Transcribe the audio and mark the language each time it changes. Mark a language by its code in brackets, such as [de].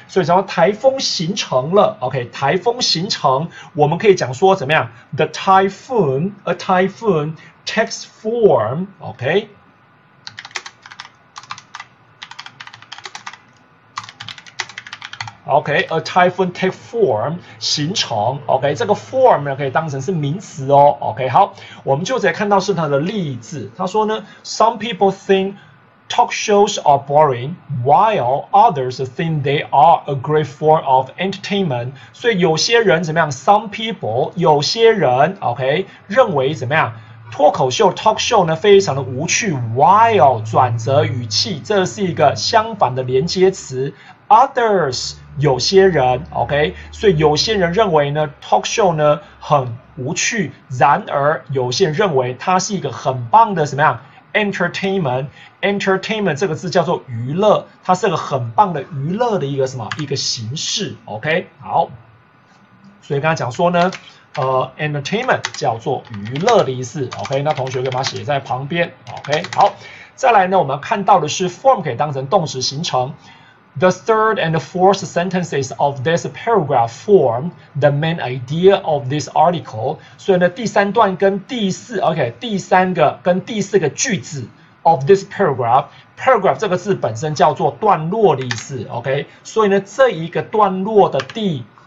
[zh] 所以讲说台风形成了 ，OK， 台风形成，我们可以讲说怎么样 ？ [en] The typhoon a typhoon takes form， [zh] OK，、okay? OK, [en] a typhoon take form, [zh] 形成。OK, 这个 form 呢可以当成是名词哦。 OK, 好，我们就直接看到是它的例子。他说呢 [en] ,some people think talk shows are boring, while others think they are a great form of entertainment. [zh] 所以有些人怎么样 , [en] some people, [zh] 有些人 ,OK, 认为怎么样脱口秀 talk show 呢非常的无趣 ,while 转折语气这是一个相反的连接词 ,others, 有些人 ,OK, 所以有些人认为呢 talk show 呢很无趣然而有些人认为它是一个很棒的什么样 ,entertainment, entertainment 这个字叫做娱乐它是个很棒的娱乐的一个什么一个形式 ,OK, 好。所以刚才讲说呢entertainment 叫做娱乐的意思 ,OK, 那同学可以把它写在旁边 ,OK, 好。再来呢我们看到的是 form 可以当成动词形成。 [en] The third and the fourth sentences of this paragraph form the main idea of this article. [zh] 所以呢第三段跟第四 ,OK, 第三个跟第四个句子 [en] of this paragraph, [zh] paragraph 这个字本身叫做段落的意思 ,OK, 所以呢这一个段落的第